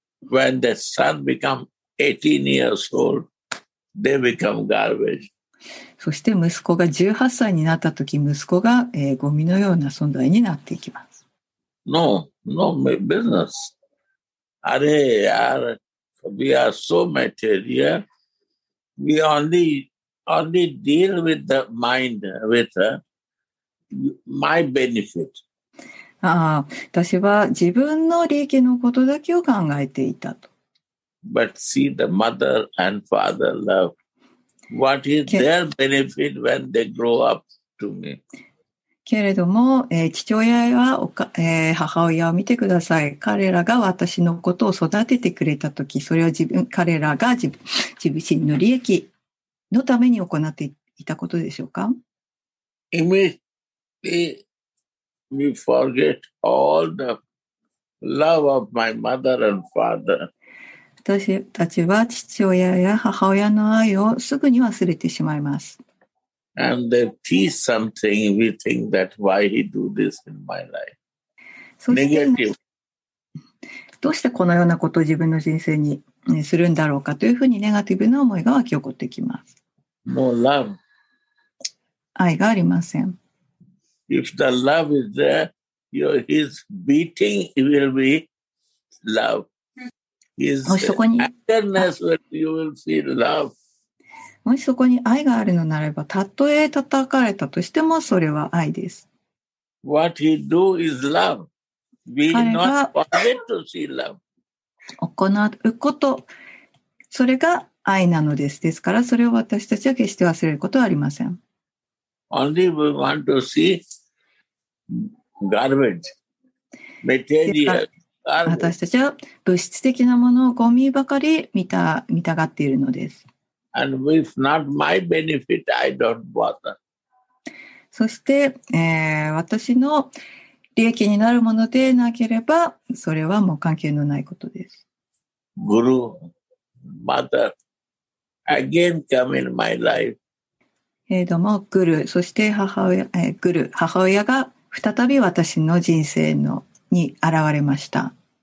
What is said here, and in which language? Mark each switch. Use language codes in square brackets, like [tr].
[en] When the son become 18 years old, they become garbage. [ja] そして息子が18歳になったとき、息子が、ゴミのような存在になっていきます。 [en] No, no business. [hi] Are yaar, [en] we are so material. We only deal with the mind, with my benefit. [ja] 私は自分の利益のことだけを考えていたと。 [en] But see the mother and father love. What is their benefit when they grow up to me? [ja] けれども、父親やおか、母親を見てください。彼らが私のことを育ててくれたとき、それは彼らが自身の利益のために行っていたことでしょうか? [en] Immediately, we forget all the love of my mother and father. [ja] 私たちは父親や母親の愛をすぐに忘れてしまいます。 [en] And they teach something, we think that why he do this in my life. Negative. [ja] どうしてこのようなことを自分の人生にするんだろうかというふうにネガティブな思いが湧き起こってきます。 [en] No love. [ja] 愛がありません。 [en] If the love is there, his beating will be love. His tenderness will feel love. [ja] もしそこに愛があるのならば、たとえ叩かれたとしても、それは愛です。 [en] What he do is love. We not forget to see love. [ja] 行うこと、それが愛なのです。ですから、それを私たちは決して忘れることはありません。 [en] Only we want to see garbage, material. [ja] 私たちは物質的なものをゴミばかり見たがっているのです。 [en] And if not my benefit, I don't bother. [ja] そして、私の利益になるものでなければそれはもう関係のないことです。 [en] グルーマザー again come in my life、 [ja] どうもグルー、そして母親、グルー母親が再び私の人生のに現れました。